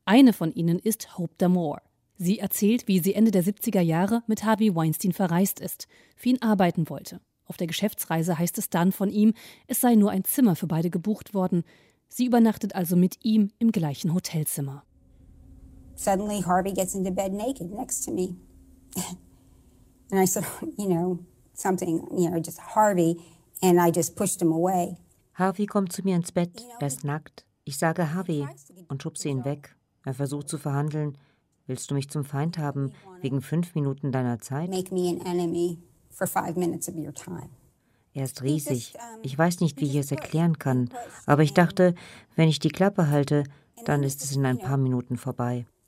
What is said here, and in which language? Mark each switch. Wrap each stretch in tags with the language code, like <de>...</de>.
<de>Eine von ihnen ist Hope D'Amore. Sie erzählt, wie sie Ende der 70er Jahre mit Harvey Weinstein verreist ist, für ihn arbeiten wollte. Auf der Geschäftsreise heißt es dann von ihm, es sei nur ein Zimmer für beide gebucht worden. Sie übernachtet also mit ihm im gleichen Hotelzimmer.</de> <en>Suddenly Harvey gets into bed naked next to me. And I said, you know, something, you know, just Harvey. And I just pushed him away.</en> <de>Harvey kommt zu mir ins Bett, er ist nackt. Ich sage Harvey und schubse ihn weg. Er versucht zu verhandeln. Willst du mich zum Feind haben, wegen 5 Minuten deiner Zeit?</de> <en>Make me an enemy for 5 minutes of your time.</en> <de>Er ist riesig. Ich weiß nicht, wie ich es erklären kann. Aber ich dachte, wenn ich die Klappe halte, dann ist es in ein paar Minuten vorbei.</de>